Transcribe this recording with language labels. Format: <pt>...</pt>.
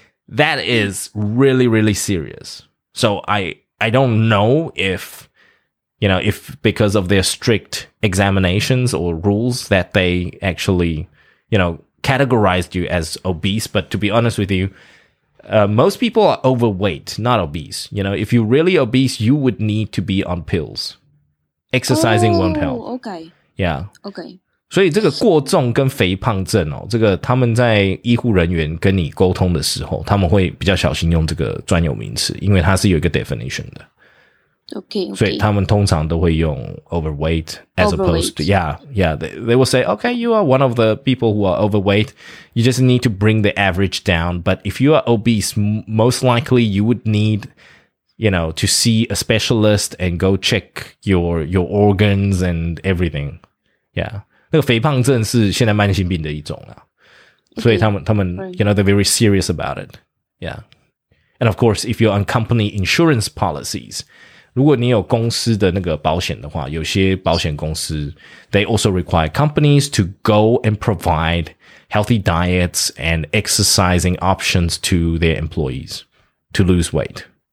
<en>That is really, really serious. So I don't know if because of their strict examinations or rules that they actually, categorized you as obese. But to be honest with you, most people are overweight, not obese. You know, if you're really obese, you would need to be on pills. Exercising won't help. Okay. Yeah. Okay.</en> <zh>所以这个过重跟肥胖症哦，这个他们在医护人员跟你沟通的时候，他们会比较小心用这个专有名词，因为它是有一个 definition 的。</zh> <en>Okay.</en> <zh>所以他们通常都会用</zh> <en>overweight as opposed to they will say okay you are one of the people who are overweight, you just need to bring the average down. But if you are obese, most likely you would need to see a specialist and go check your organs and everything. Yeah.</en> <zh>那个肥胖症是现在慢性病的一种啦。所以他们</zh> <en>they're very serious about it. Yeah. And of course, if you're on company insurance policies,</en> <zh>如果你有公司的那个保险的话，有些保险公司</zh> <en>they also require companies to go and provide healthy diets and exercising options to their employees to lose weight.</en>